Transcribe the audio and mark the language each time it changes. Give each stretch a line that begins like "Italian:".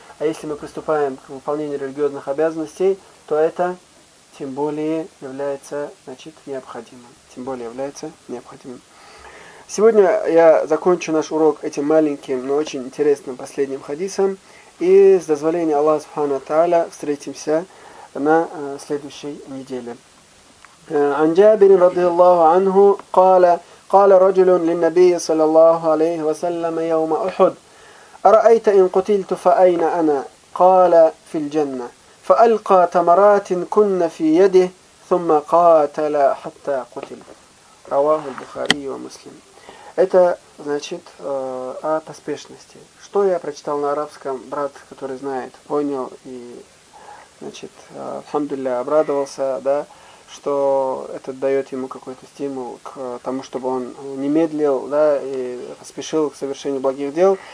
Russian: А если мы приступаем к выполнению религиозных обязанностей, то это тем более является, значит, необходимым. Тем более является необходимым. Сегодня я закончу наш урок этим маленьким, но очень интересным последним хадисом. И с дозволения Аллаха Субхана Тааля встретимся на следующей неделе.
Arabic: عن جابر رضي الله عنه قال رجل للنبي صلى الله عليه وسلم يوم أحد أرأيت إن قتلت فأين أنا؟ قال في الجنة فألقى تمرات كن في يده ثم قاتل حتى قتل رواه البخاري ومسلم.
Russian: Это значит о поспешности. Что я прочитал на арабском, брат, который знает, понял и, значит, альхамдулиллях, обрадовался, да, что это дает ему какой-то стимул к тому, чтобы он не медлил, да, и поспешил к совершению благих дел.